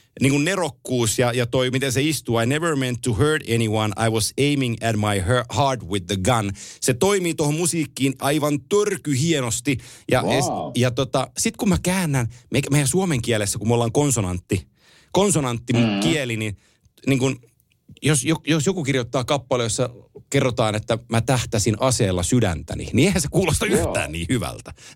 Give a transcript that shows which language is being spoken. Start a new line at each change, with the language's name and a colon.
Finnish: Niin kuin nerokkuus ja toi, miten se istuu.
English: I never meant to hurt anyone. I was aiming at my heart with the gun.
Finnish: Se toimii tuohon musiikkiin aivan törkyhienosti. Ja, wow. Ja tota, sit kun mä käännän, meidän suomen kielessä, kun me ollaan konsonantti kieli, niin kuin, jos joku kirjoittaa kappale, jossa kerrotaan, että mä tähtäsin aseella sydäntäni, niin eihän se kuulosta yhtään niin hyvältä.